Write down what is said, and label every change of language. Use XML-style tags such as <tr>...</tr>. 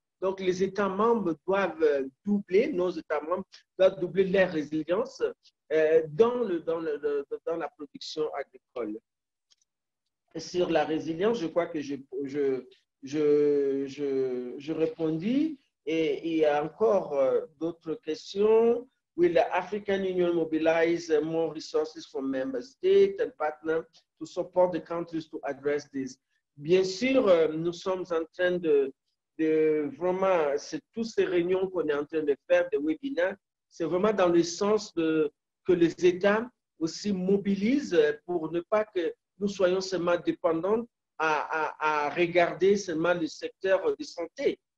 <fr>Donc, les États membres doivent doubler, nos États membres doivent doubler leur résilience dans la production agricole. Sur la résilience, je crois que je répondis. Et il y a encore d'autres questions.</fr> <en>Will the African Union mobilize more resources from member states and partners to support the countries to address this?</en> <fr>Bien sûr, nous sommes en train de vraiment, c'est toutes ces réunions qu'on est en train de faire, des webinaires, c'est vraiment dans le sens de que les États aussi mobilisent pour ne pas que nous soyons seulement dépendants à regarder seulement le secteur de santé.</fr>